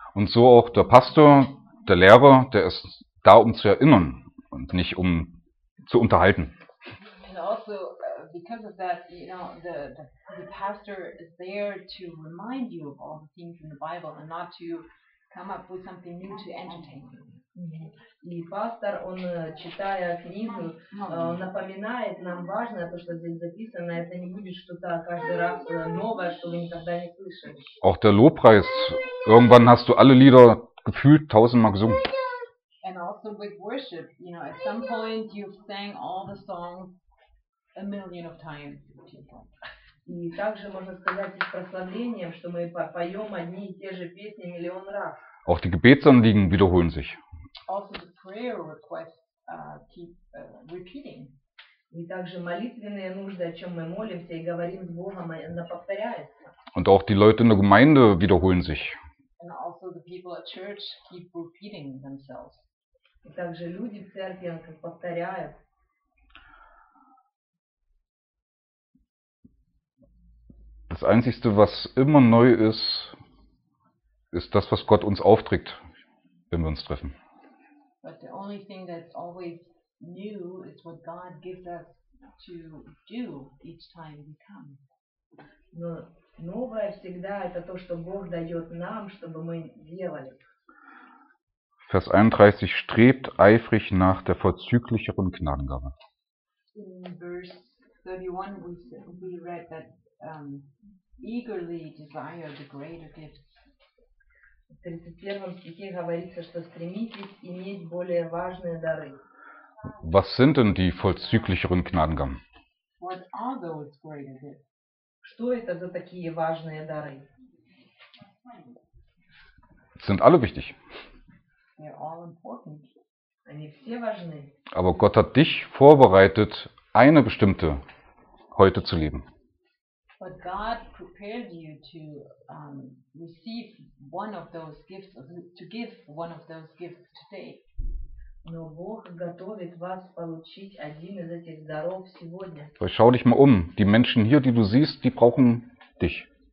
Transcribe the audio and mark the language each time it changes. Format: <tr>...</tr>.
<de>Und so auch der Pastor, der Lehrer, der ist da, um zu erinnern und nicht um zu unterhalten.</de> <en>And also because of that, you know, the pastor is there to remind you of all the things in the Bible and not to come up with something new to entertain you.</en> <ru>И пастор, он читая книгу, напоминает нам важное, то что здесь записано, это не будет что-то каждый раз новое, что вы никогда не слышали.</ru> <de>Auch der Lobpreis, irgendwann hast du alle Lieder gefühlt tausendmal gesungen.</de> <en>And also with worship, you know, at some point you've sang all the songs a million of times.</en> <ru>И также можно сказать с прославлением, что мы поем одни и те же песни миллион раз.</ru> <de>Auch die Gebetsanliegen wiederholen sich.</de> <en>Also the prayer requests keep repeating.</en> <ru>И также молитвенные нужды, о чем мы молимся и говорим с Богом, они повторяются.</ru> <de>Und auch die Leute in der Gemeinde wiederholen sich.</de> <en>And also the people at church keep repeating themselves.</en> <ru>И также люди в церкви повторяют.</ru> <de>Das Einzige, was immer neu ist, ist das, was Gott uns aufträgt, wenn wir uns treffen.</de> <en>But the only thing that's always new is what God gives us to do each time we come.</en> <ru>Но новое всегда это то, что Бог дает нам, чтобы мы делали.</ru> <de>Vers 31 strebt eifrig nach der vorzüglicheren Gnadengabe.</de> <en>In verse 31 we read that eagerly desire the greater gift.</en> <ru>В 31 стихе говорится, что стремитесь иметь более важные дары.</ru> <de>Was sind denn die vollzüglicheren Gnadengaben?</de> <en>What are those greater gifts?</en> <ru>Что это за такие важные дары?</ru> <de>Sind alle wichtig.</de> <en>They're all important.</en> <ru>Они все важны.</ru> <de>Aber Gott hat dich vorbereitet, eine bestimmte heute zu leben.</de> <en>But God prepared you to receive one of those gifts, to give one of those gifts today.</en> <ru>Но Бог готовит вас получить один из этих даров сегодня.</ru> <de>Schau dich mal um. Die Menschen hier, die du siehst, die brauchen dich.</de>